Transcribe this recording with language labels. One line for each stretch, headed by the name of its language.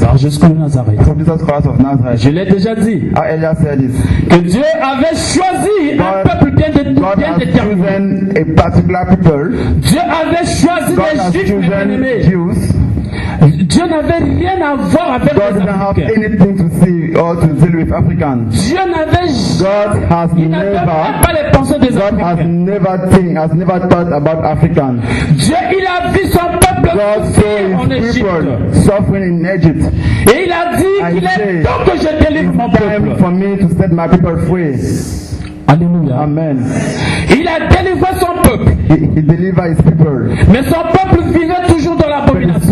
French: Par Jésus de Nazareth.
English: Through Jesus Christ of Nazareth.
French: Je l'ai déjà dit.
English: Ah, Elias said this.
French: Que Dieu avait choisi un peuple bien
English: déterminé. A particular people.
French: Dieu avait choisi les Juifs. Dieu n'avait rien à voir avec
English: God
French: les Africains.
English: God didn't have anything to see or to deal with Africans.
French: Dieu n'avait
English: God has never.
French: Pas les pensées des
English: God
French: Africains.
English: Has never think, has never thought about Africans.
French: Dieu, il a vu son peuple
English: God
French: souffrir en Égypte.
English: Suffering in Egypt.
French: Et il a dit
English: and
French: qu'il est temps que je délivre mon peuple.
English: Time for me to set my people free.
French: Alléluia.
English: Amen.
French: Il a délivré son peuple.
English: He delivered his people.
French: Mais son peuple vivait toujours dans l'abomination.